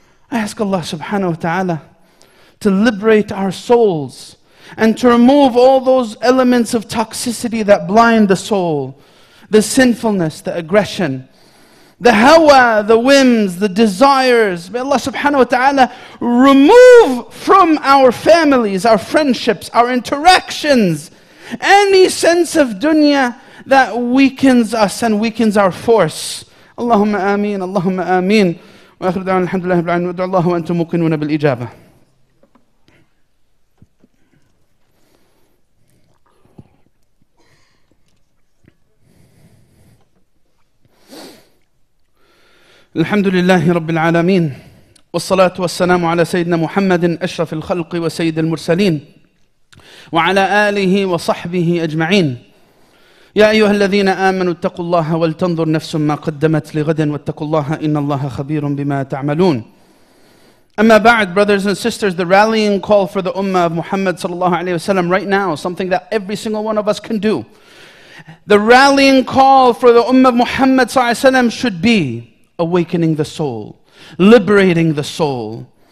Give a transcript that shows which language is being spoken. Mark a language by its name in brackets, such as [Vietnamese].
[English] I ask Allah subhanahu wa ta'ala to liberate our souls and to remove all those elements of toxicity that blind the soul, the sinfulness, the aggression, the hawa, the whims, the desires. May Allah subhanahu wa ta'ala remove from our families, our friendships, our interactions, any sense of dunya that weakens us and weakens our force. [Arabic] اللهم آمين اللهم آمين وآخر دعوانا الحمد لله رب العالمين ودع الله وأنتم موقنون بالإجابة. الحمد لله رب العالمين والصلاة والسلام على سيدنا محمد أشرف الخلق وسيد المرسلين وعلى آله وصحبه أجمعين. يا أيها الذين آمنوا اتقوا الله ولتنظر نفس ما قدمت لغد واتقوا الله إن الله خبير بما تعملون. أما بعد, [English] brothers and sisters, the rallying call for the ummah of Muhammad sallallahu alayhi wa sallam right now, something that every single one of us can do. The rallying call for the ummah of Muhammad sallallahu alayhi wa sallam should be awakening the soul, liberating the soul.